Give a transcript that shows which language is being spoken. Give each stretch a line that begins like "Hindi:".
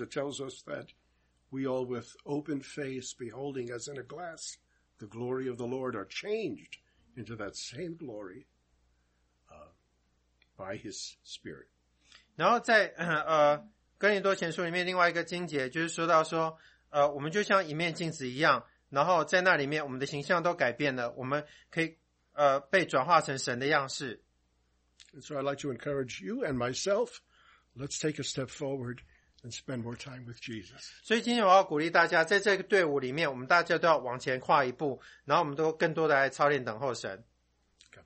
English: It tells us that we all with open face, beholding as in a glass, the glory of the Lord are changed into that same glory by his Spirit.
Chinese: 然后在《哥林多前书》里面另外一个经节就是说到说，我们就像一面镜子一样，然后在那里面我们的形象都改变了，我们可以被转化成神的样式。
English: And so I'd like to encourage you and myself, let's take a step forward and spend more time with Jesus.
Chinese: 所以今天我要鼓励大家，在这个队伍里面，我们大家都要往前跨一步，然后我们都更多的来操练等候神。
English: God